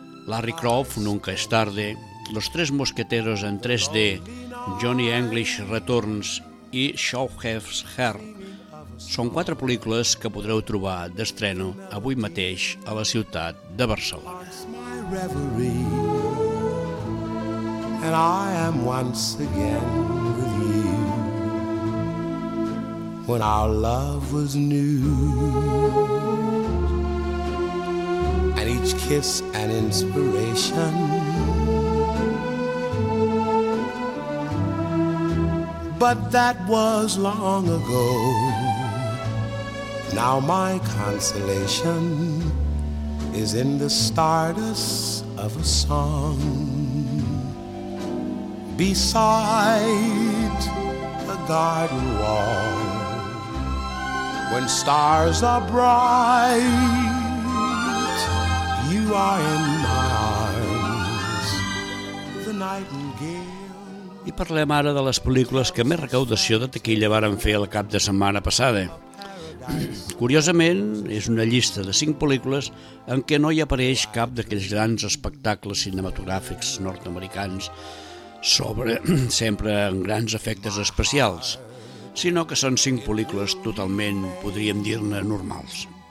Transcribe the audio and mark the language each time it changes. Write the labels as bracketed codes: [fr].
[ca] Larry Croft, Nunca es tarde, Los Tres Mosqueteros en 3D, Johnny English Returns i Show Has Her. Són 4 pel·lícules que podreu trobar d'estreno avui mateix a la ciutat de Barcelona. [en] And I am once again with you when our love was new. And each kiss an inspiration. But that was long ago. Now my consolation is in the stardust of a song beside a garden wall when stars are bright. You are in my arms, the nightingale. [ca] I parlem ara de les pel·lícules que més recaudació de taquilla varen fer el cap de setmana passada. Curiosament, és una llista de 5 pel·lícules en què no hi apareix cap d'aquells grans espectacles cinematogràfics nord-americans sobre sempre amb grans efectes especials, sinó que són 5 pel·lícules totalment, podríem dir-ne, normals.